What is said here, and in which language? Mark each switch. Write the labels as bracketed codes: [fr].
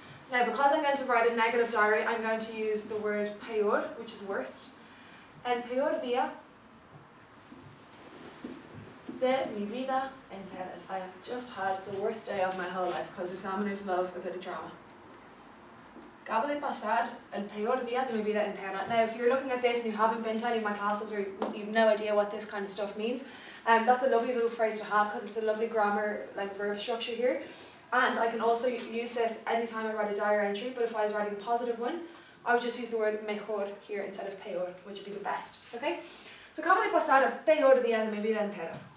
[en] Now, because I'm going to write a negative diary, I'm going to use the word peor, which is worst. [es] El peor día de mi vida entera. [en] I have just had the worst day of my whole life, because examiners love a bit of drama. [es] Acabo de pasar el peor día de mi vida entera. [en] Now, if you're looking at this and you haven't been to any of my classes or you've no idea what this kind of stuff means, that's a lovely little phrase to have because it's a lovely grammar, like verb structure here. And I can also use this anytime I write a diary entry, but if I was writing a positive one, I would just use the word mejor here instead of peor, which would be the best, okay? [es] So, acabo de pasar a peor día de mi vida entera.